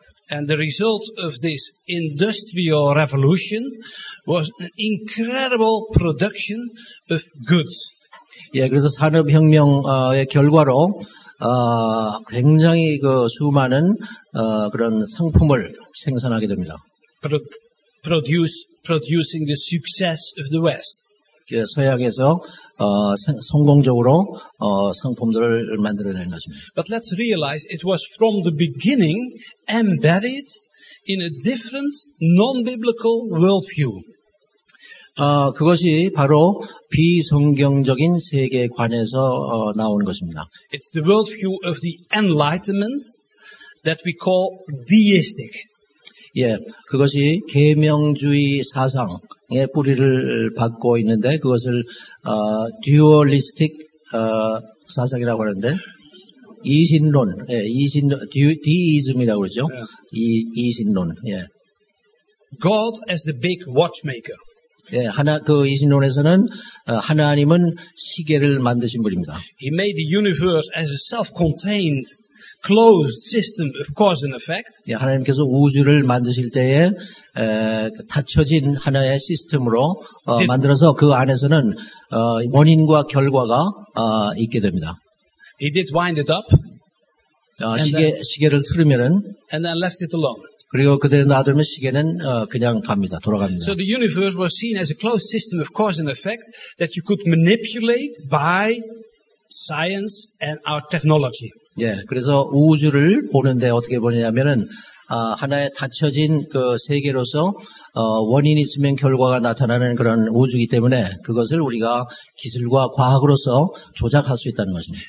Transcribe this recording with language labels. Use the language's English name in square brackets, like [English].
[English] And the result of this industrial revolution was an incredible production of goods. [Korean] 예, 그래서 산업혁명의 결과로 굉장히 그 수많은 그런 상품을 생산하게 됩니다. [English] Producing the success of the West. [Korean] 예, 서양에서 성공적으로 상품들을 만들어낸 것입니다. [English] But let's realize it was from the beginning embedded in a different non-biblical worldview. [Korean] 그것이 바로 비성경적인 세계관에서 나온 것입니다. [English] It's the worldview of the Enlightenment that we call deistic. [Korean] 예, 그것이 계명주의 사상의 뿌리를 받고 있는데 그것을 dualistic 사상이라고 하는데 이신론, 예, 이신론, deism이라고 그러죠. Yeah. 이신론, 예. [English] God as the big watchmaker. [Korean] 예, 그 이신론에서는 하나님은 시계를 만드신 분입니다. [English] He made the universe as a self-contained closed system of cause and effect. [Korean] 예, 하나님께서 우주를 만드실 때에 닫혀진 하나의 시스템으로 만들어서 그 안에서는 원인과 결과가 있게 됩니다. [English] He did wind it up. [Korean] 시계를 틀으면은 [English] and then left it alone. [Korean] 그리고 그대로 놔두면 시계는 그냥 갑니다. 돌아갑니다. [English] So the universe was seen as a closed system of cause and effect that you could manipulate by science and our technology. [Korean] 예, 그래서 우주를 보는데 어떻게 보냐면은 하나의 닫혀진 그 세계로서 원인이 있으면 결과가 나타나는 그런 우주이기 때문에 그것을 우리가 기술과 과학으로서 조작할 수 있다는 것입니다.